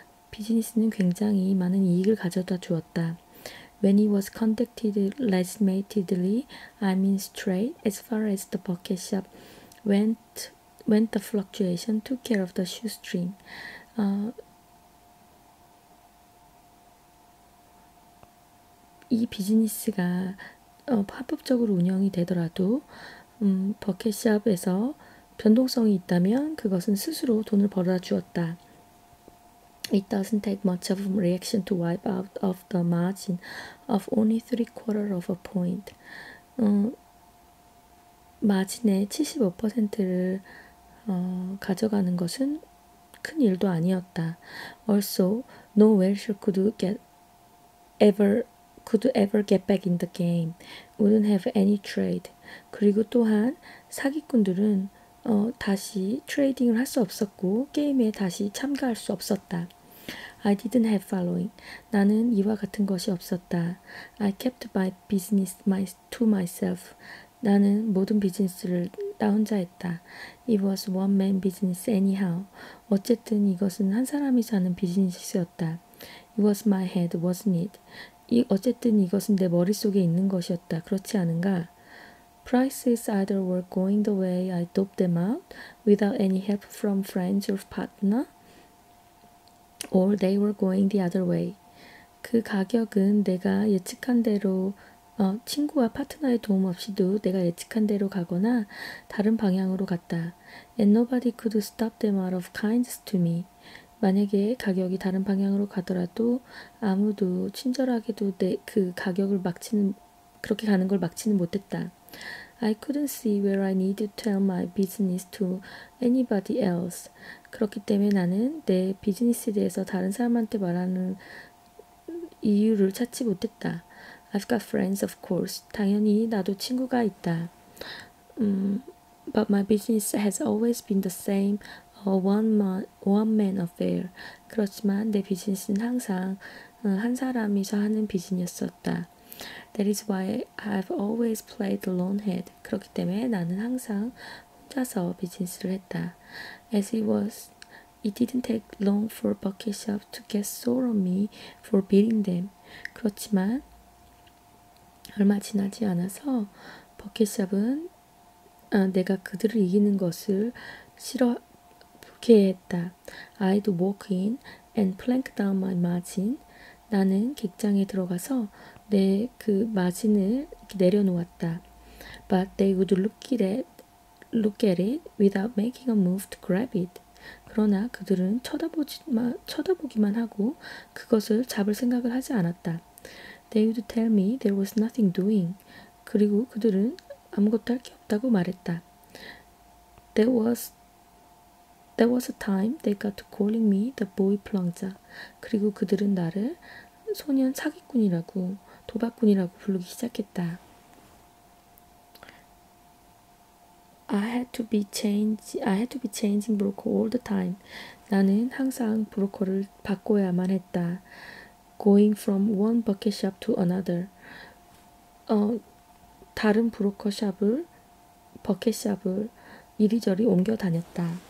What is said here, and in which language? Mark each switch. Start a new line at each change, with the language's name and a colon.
Korean: 비즈니스는 굉장히 많은 이익을 가져다 주었다.
English: When he was contacted legitimately, I mean straight, as far as the bucket shop went, the fluctuation took care of the shoestring.
Korean: 이 비즈니스가 합법적으로 운영이 되더라도 버킷샵에서 변동성이 있다면 그것은 스스로 돈을 벌어다 주었다.
English: It doesn't take much of a reaction to wipe out of the margin of only three quarter of a point.
Korean: 마진의 75%를 가져가는 것은 큰 일도 아니었다.
English: Also, no welfare could ever get back in the game. Wouldn't have any trade.
Korean: 그리고 또한 사기꾼들은 다시 트레이딩을 할수 없었고 게임에 다시 참가할 수 없었다.
English: I didn't have following.
Korean: 나는 이와 같은 것이 없었다.
English: I kept my business to myself.
Korean: 나는 모든 비즈니스를 나 혼자 했다.
English: It was one man business anyhow.
Korean: 어쨌든 이것은 한 사람이서 하는 비즈니스였다.
English: It was my head, wasn't it?
Korean: 어쨌든 이것은 내 머릿속에 있는 것이었다. 그렇지 않은가?
English: Prices either were going the way I doped them out without any help from friends or partner, or they were going the other way.
Korean: 그 가격은 내가 예측한 대로 친구와 파트너의 도움 없이도 내가 예측한 대로 가거나 다른 방향으로 갔다.
English: And nobody could stop them out of kindness to me.
Korean: 만약에 가격이 다른 방향으로 가더라도 아무도 친절하게도 그 가격을 막지는 그렇게 가는 걸 막지는 못했다.
English: I couldn't see where I needed to tell my business to anybody else.
Korean: 그렇기 때문에 나는 내 비즈니스에 대해서 다른 사람한테 말하는 이유를 찾지 못했다.
English: I've got friends, of course.
Korean: 당연히 나도 친구가 있다.
English: But my business has always been the same, a one man affair.
Korean: 그렇지만 내 비즈니스는 항상 한 사람이서 하는 비즈니스였다.
English: That is why I've always played the lone head.
Korean: 그렇기 때문에 나는 항상 혼자서 비즈니스를 했다.
English: As it was, it didn't take long for Bucket Shop to get sore on me for beating them.
Korean: 그렇지만 얼마 지나지 않아서 버킷 샵은 내가 그들을 이기는 것을 싫어 불쾌했다.
English: I'd walk in and plank down my margin.
Korean: 나는 객장에 들어가서 내 그 마진을 내려놓았다.
English: But they would look at it without making a move to grab it.
Korean: 그러나 그들은 쳐다보기만 하고 그것을 잡을 생각을 하지 않았다.
English: They would tell me there was nothing doing.
Korean: 그리고 그들은 아무것도 할 게 없다고 말했다.
English: There was a time they got to calling me the boy plunger.
Korean: 그리고 그들은 나를 소년 사기꾼이라고 도박꾼이라고 부르기 시작했다.
English: I had to be changing broker all the time.
Korean: 나는 항상 브로커를 바꿔야만 했다.
English: Going from one bucket shop to another.
Korean: 다른 브로커 샵을 버킷 샵을 이리저리 옮겨 다녔다.